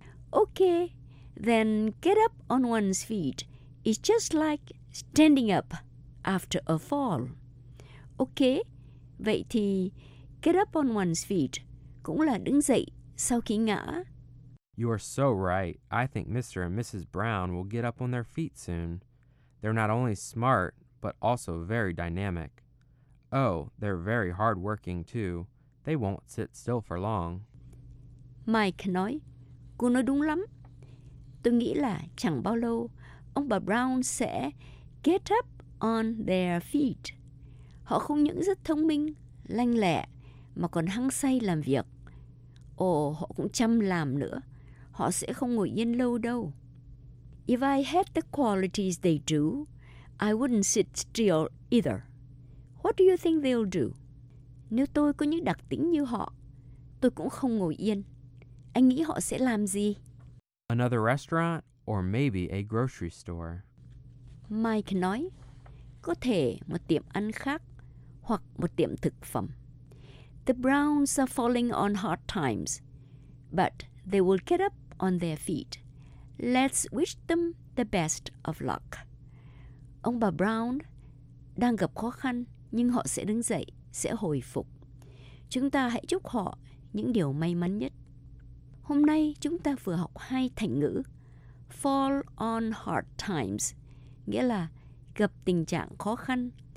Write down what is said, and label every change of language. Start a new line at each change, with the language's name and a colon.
English: Okay, then get up on one's feet is just like standing up after a fall.
Vietnamese: Okay, vậy thì
English: get up on one's feet
Vietnamese: cũng là đứng dậy sau khi ngã.
English: You are so right. I think Mr. and Mrs. Brown will get up on their feet soon. They're not only smart, but also very dynamic. Oh, they're very hardworking too. They won't sit still for long.
Vietnamese: Mike nói, cô nói đúng lắm. Tôi nghĩ là chẳng bao lâu, ông bà Brown sẽ
English: get up on their feet.
Vietnamese: Họ không những rất thông minh, lanh lẹ, mà còn hăng say làm việc. Ồ, họ cũng chăm làm nữa. Họ sẽ không ngồi yên lâu đâu.
English: If I had the qualities they do, I wouldn't sit still either. What do you think they'll do?
Vietnamese: Nếu tôi có những đặc tính như họ, tôi cũng không ngồi yên. Anh nghĩ họ sẽ làm gì?
English: Another restaurant or maybe a grocery store.
Vietnamese: Mike nói, có thể một tiệm ăn khác hoặc một tiệm thực phẩm.
English: The Browns are falling on hard times, but they will get up on their feet. Let's wish them the best of luck.
Vietnamese: Ông bà Brown đang gặp khó khăn, nhưng họ sẽ đứng dậy, sẽ hồi phục. Chúng ta hãy chúc họ những điều may mắn nhất. Hôm nay chúng ta vừa học hai thành ngữ.
English: Fall on hard times,
Vietnamese: nghĩa là gặp tình trạng khó khăn.